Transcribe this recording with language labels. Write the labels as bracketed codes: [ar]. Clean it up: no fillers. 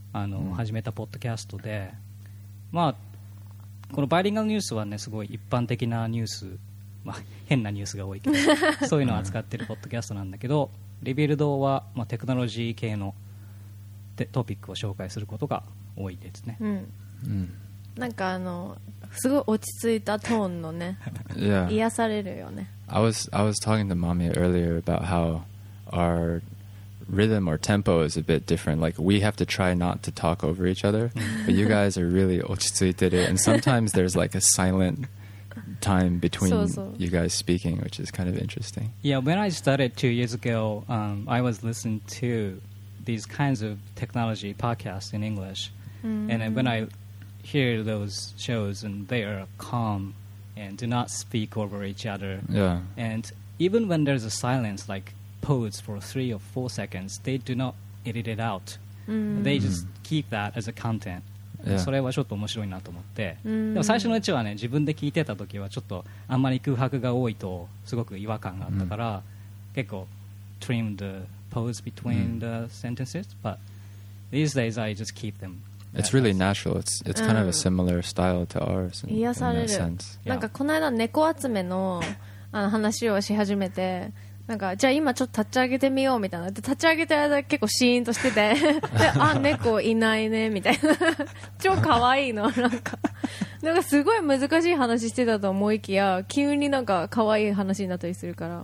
[ja] あの、うん、始めたポッドキャストで、まあこのバイリンガルニュースはね、すごい一般的なニュース、まあ、変なニュースが多いけどそういうのを扱ってるポッドキャストなんだけど、うん、リビルドは、まあ、テクノロジー系のトピックを紹介することが多いですね。うん、なんかあのすごい落ち着いたトーンのね癒されるよね。 [en] I was talking to mommy earlier about how our rhythm or tempo is a bit different, like we have to try not to talk over each other but you guys are really [ja] 落ち着いてる [en] and sometimes there's like a silent time between you guys speaking, which is kind of interesting. Yeah, when I started 2 years ago, I was listening to these kinds of technology podcasts in English, mm-hmm. and when I hear those shows, and they are calm and do not speak over each other. Yeah. And even when there's a silence, like pause for 3 or 4 seconds, they do not edit it out. Mm-hmm. They just keep that as a content. Yeah. [ja] それはちょっと面白いなと思って、でも最初のうちはね、自分で聞いてた時はちょっとあんまり空白が多いとすごく違和感があったから、結構 [en] trim the pause between the sentences, but these days I just keep them. It's really natural. It's kind of a similar style to ours. In, [ja] 癒される。 [en] In that sense. [ja] なんかこの間猫集めの、 あの話をし始めて、なんかじゃあ今ちょっと立ち上げてみようみたいな、で立ち上げた間結構シーンとしててであ猫いないねみたいな超可愛いの、なんかすごい難しい話してたと思いきや急になんか可愛い話になったりするから、